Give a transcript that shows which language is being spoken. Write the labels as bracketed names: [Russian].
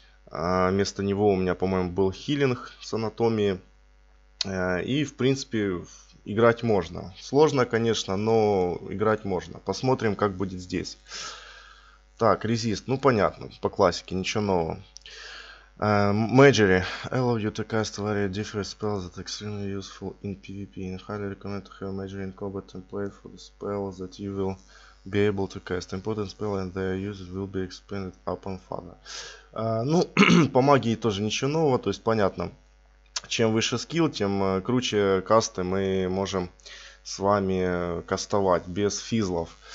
[Russian] Вместо него у меня, по-моему, был хилинг с анатомией. И, в принципе, играть можно. Сложно, конечно, но играть можно. Посмотрим, как будет здесь. Так, резист. Ну, понятно, по классике, ничего нового. [English] Magery. Allow you to cast very different spells that extremely useful in PvP. And highly recommend to have Magery in combat and play for the spells that you will be able to cast. Important spell and their use will be expanded upon further. [Russian] Ну, по магии тоже ничего нового, то есть понятно. Чем выше скилл, тем круче касты мы можем с вами кастовать без физлов.